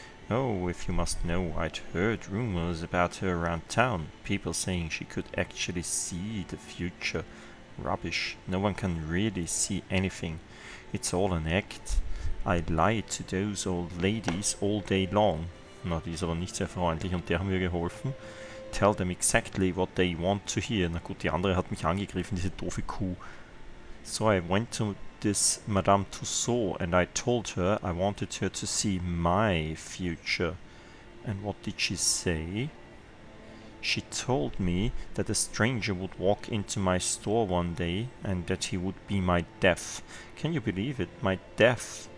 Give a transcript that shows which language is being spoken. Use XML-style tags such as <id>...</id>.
<en>Oh, if you must know, I'd heard rumors about her around town. People saying she could actually see the future. Rubbish. No one can really see anything. It's all an act. I lied to those old ladies all day long.</en> <de>Na, die ist aber nicht sehr freundlich und der haben wir geholfen.</de> <en>Tell them exactly what they want to hear.</en> <de>Na gut, die andere hat mich angegriffen, diese doofe Kuh.</de> <en>So I went to this Madame Tussaud and I told her I wanted her to see my future. And what did she say? She told me that a stranger would walk into my store one day and that he would be my death. Can you believe it? My death.</en>